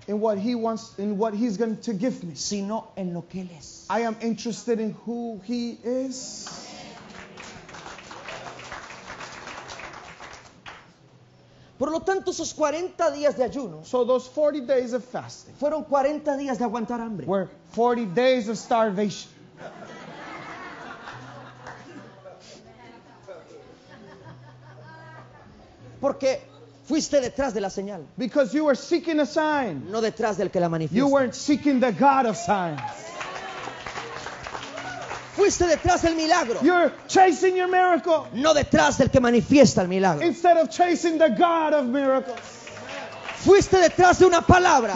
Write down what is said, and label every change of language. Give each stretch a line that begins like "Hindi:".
English: In what he wants, in what he's going to give me.
Spanish: Sino en lo que él es.
English: I am interested in who he is.
Spanish: Por lo tanto, esos 40 días de ayuno.
English: So those 40 days of fasting.
Spanish: Fueron 40 días de aguantar hambre.
English: Were 40 days of starvation.
Spanish: Porque fuiste detrás de la señal.
English: Because you were seeking a sign.
Spanish: No detrás del que la manifiesta.
English: You weren't seeking the God of signs.
Spanish: Fuiste detrás del milagro.
English: You're chasing your miracle.
Spanish: No detrás del que manifiesta el milagro.
English: Instead of chasing the God of miracles.
Spanish: Fuiste detrás de una palabra.